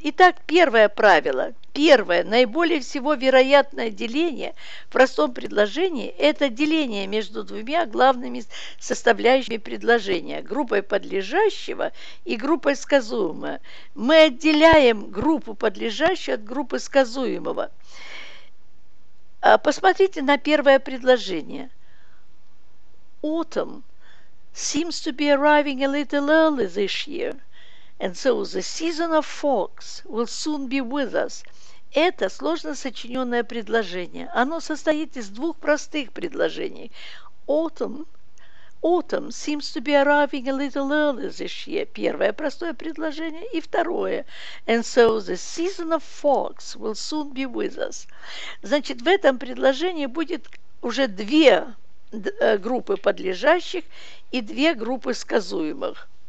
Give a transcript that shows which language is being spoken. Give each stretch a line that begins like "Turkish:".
Russian: Итак, первое правило. Первое, наиболее всего вероятное деление в простом предложении – это деление между двумя главными составляющими предложения – группой подлежащего и группой сказуемого. Мы отделяем группу подлежащего от группы сказуемого. Посмотрите на первое предложение.
English: Autumn seems to be arriving a little early this year, and so the season of fogs will soon be with us.
Russian: Это сложно сочиненное предложение. Оно состоит из двух простых предложений.
English: Autumn seems to be arriving a little early this year.
Russian: Первое простое предложение. И второе.
English: And so the season of fogs will soon be with us.
Russian: Значит, в этом предложении будет уже две группы подлежащих и две группы сказуемых.